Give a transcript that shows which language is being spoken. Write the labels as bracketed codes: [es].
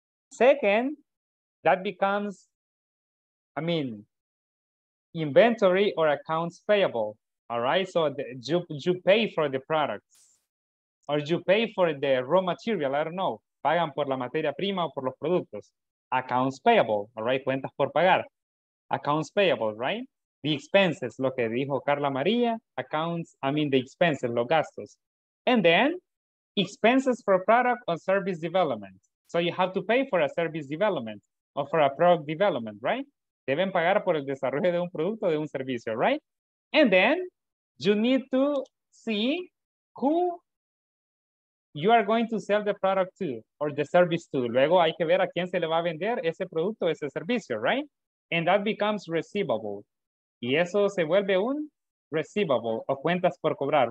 [en] Second, that becomes, I mean, inventory or accounts payable. All right, so you pay for the products or you pay for the raw material, I don't know. [es] Pagan por la materia prima o por los productos. [en] Accounts payable, all right, [es] cuentas por pagar. [en] Accounts payable, right? The expenses, [es] lo que dijo Carla María, [en] the expenses, [es] los gastos. [en] And then expenses for product or service development. So you have to pay for a service development or for a product development, right? [es] Deben pagar por el desarrollo de un producto, de un servicio, right? [en] And then you need to see who you are going to sell the product to or the service to. [es] Luego hay que ver a quién se le va a vender ese producto, ese servicio, right? [en] And that becomes receivable. [es] Y eso se vuelve un receivable o cuentas por cobrar.